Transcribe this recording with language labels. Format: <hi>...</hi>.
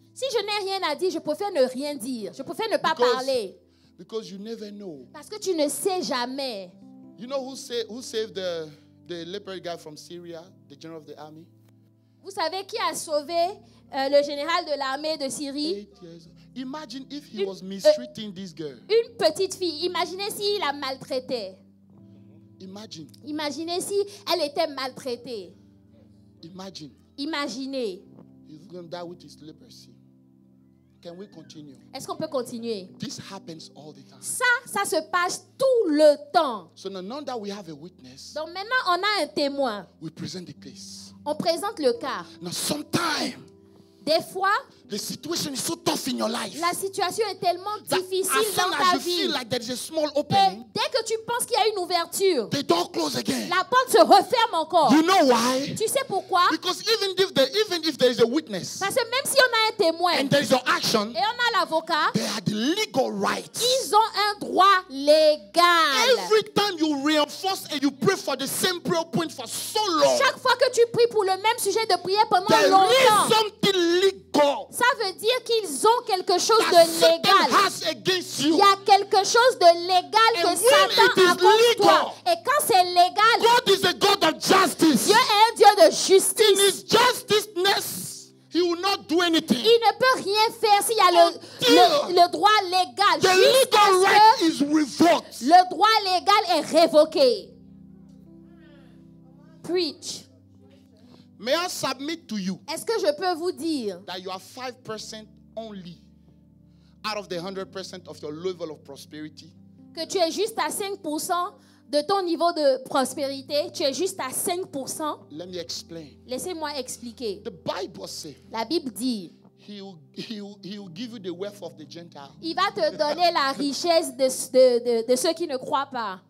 <fr>Si je n'ai rien à dire, je préfère ne rien dire. Je préfère ne pas parler.</fr> <en>Because you never know.</en> <fr>Parce que tu ne sais jamais.</fr> <en>You know who saved the leper guy from Syria, the general of the army?</en> <fr>Vous savez qui a sauvé le général de l'armée de Syrie?</fr> <en>Imagine if he was mistreating this girl.</en> <fr>Une petite fille. Imaginez s'il la maltraitait.</fr> <en>Imagine.</en> <fr>Imaginez si elle était maltraitée.</fr> <en>Imagine.</en> <fr>Imaginez.</fr> <en>He's going to die with his leprosy. Can we continue?</en> <fr>Est-ce qu'on peut continuer?</fr> <en>This happens all the time.</en> <fr>Ça se passe tout le temps.</fr> <en>So now that we have a witness.</en> <fr>Donc maintenant on a un témoin.</fr> <en>We present the case.</en> <fr>On présente le cas.</fr> <en>Now sometimes.</en> <fr>Des fois,</fr> <en>the situation is so tough in your life,</en> <fr>la situation est tellement difficile dans ta vie.</fr> <en>Feel like there is a small opening,</en> <fr>et dès que tu penses qu'il y a une ouverture,</fr> <en>the door close again.</en> <fr>La porte se referme encore.</fr> <en>You know why?</en> <fr>Tu sais pourquoi?</fr> <en>Because even if there is a witness,</en> <fr>parce que même si on a un témoin</fr> <en>and there is an action,</en> <fr>et on a l'avocat,</fr> <en>they have the legal right.</en> <fr>Ils ont un droit légal.</fr> <en>Every time you reinforce and you pray for the same prayer point for so long,</en> <fr>chaque fois que tu pries pour le même sujet de prière pendant</fr> <en>there</en> <fr>longtemps,</fr> <en>is something legal.</en> <fr>Ça veut dire qu'ils ont quelque chose de légal.</fr> <en>You.</en> <fr>Il y a quelque chose de légal</fr> <en>And</en> <fr>que Satan a contre toi. Et quand c'est légal,</fr> <en>God is a God of justice.</en> <fr>Dieu est un Dieu de justice.</fr> <en>In his justiceness, he will not do anything.</en> <fr>Il ne peut rien faire s'il y a le droit légal.</fr> <en>The legal right is revoked.</en> <fr>Le droit légal est révoqué.</fr> <en>Preach. May I submit to you?</en> <fr>Est-ce que je peux vous dire</fr> <en>that you are 5% only out of the 100% of your level of prosperity?</en> <fr>Que tu es juste à 5% de ton niveau de prospérité. Tu es juste à 5%.</fr> <en>Let me explain.</en> <fr>Laissez-moi expliquer.</fr> <en>The Bible says.</en> <fr>La Bible dit.</fr> <en>He will give you the wealth of the Gentiles.</en> <fr>Il va te donner la richesse de ceux qui ne croient pas.</fr>